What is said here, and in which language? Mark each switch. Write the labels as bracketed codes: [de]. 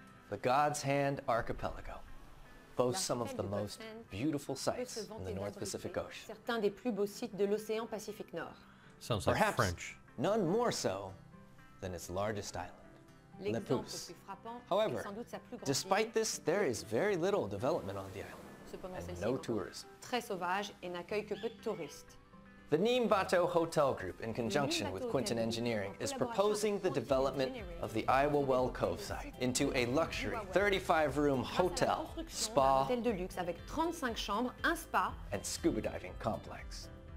[en] The God's Hand Archipelago boasts some of the most beautiful sites in the North Pacific Ocean. [fr] Certains des plus beaux sites de l'océan Pacifique Nord. [en] Sounds like perhaps French. None more so than its largest island, Lepus. However, despite this, there is very little development on the island, and no tourism. [fr] Très sauvage et n'accueille que peu de touristes. [en] The Neem Bateau Hotel Group, in conjunction with Quinton Engineering, is proposing the development of the Iowa Well Cove site into a luxury 35-room hotel, spa, and scuba diving complex.